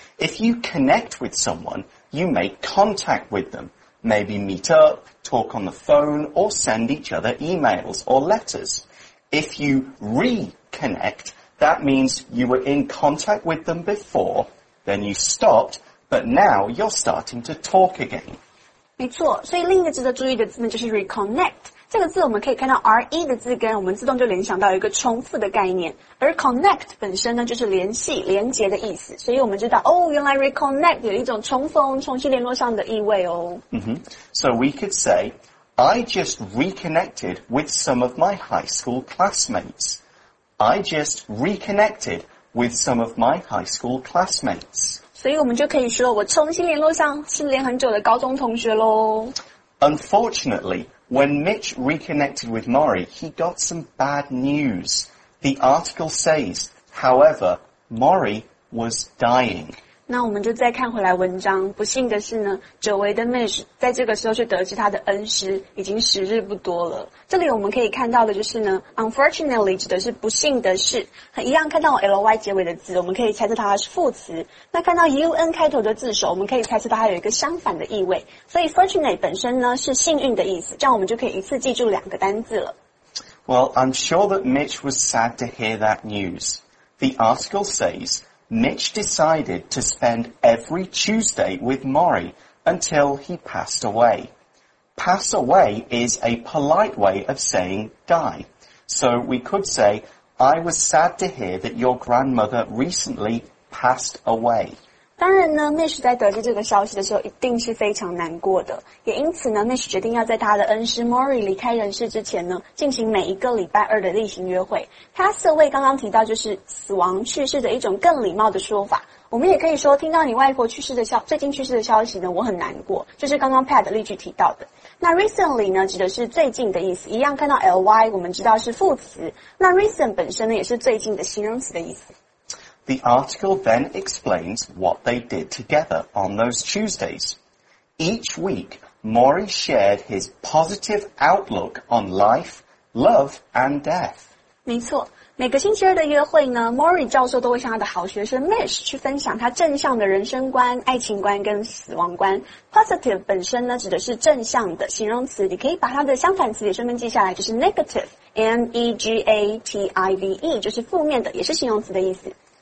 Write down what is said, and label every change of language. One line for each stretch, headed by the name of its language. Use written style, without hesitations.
English: If you connect with someone, you make contact with them. Maybe meet up, talk on the phone, or send each other emails or letters. If you reconnect, that means you were in contact with them before, then you stopped, but now you're starting to talk again.
Chinese: 没错，所以另一个值得注意的字呢就是 reconnect. 这个字我们可以看到 RE 的字根我们自动就联想到一个重复的概念而 connect 本身呢就是联系连接的意思所以我们知道哦原来 reconnect 有一种重逢重新联络上的意味哦、
English: So we could say I just reconnected with some of my high school classmates I just reconnected with some of my high school classmates
Chinese: 所以我们就可以说我重新联络上失联很久的高中同学咯
English: UnfortunatelyWhen Mitch reconnected with Maury, he got some bad news. The article says, however, Maury was dying.
Chinese: 那我们就再看回来文章。不幸的是呢，久违的 Mitch 在这个时候却得知他的恩师已经时日不多了。这里我们可以看到的就是呢 ，unfortunately 指的是不幸的事。很一样看到 ly 结尾的字，我们可以猜测它是副词。那看到 un 开头的字首，我们可以猜测它有一个相反的意味。所以 fortunate 本身呢是幸运的意思，这样我们就可以一次记住两个单字了。
English: Well, I'm sure that Mitch was sad to hear that news. The article says. Mitch decided to spend every Tuesday with Maury until he passed away. Pass away is a polite way of saying die. So we could say, I was sad to hear that your grandmother recently passed away.
Chinese: 当然呢 ,Mitch 在得知这个消息的时候一定是非常难过的。也因此呢 ,Mitch 决定要在他的恩师 Maury 离开人世之前呢进行每一个礼拜二的例行约会。 Pass away 刚刚提到就是死亡去世的一种更礼貌的说法。我们也可以说听到你外婆去世的消最近去世的消息呢我很难过。就是刚刚 Pat 的例句提到的。那 recently 呢指的是最近的意思。一样看到 ly, 我们知道是副词。那 recent 本身呢也是最近的形容词的意思。
English: The article then explains what they did together on those Tuesdays. Each week, Maury shared his positive outlook on life, love, and death.
Chinese: 没错，每个星期二的约会呢 ,Maury 教授都会向他的好学生 Mitch 去分享他正向的人生观、爱情观跟死亡观。 Positive 本身呢指的是正向的形容词，你可以把它的相反词也顺便记下来，就是 negative, N-E-G-A-T-I-V-E, 就是负面的，也是形容词的意思。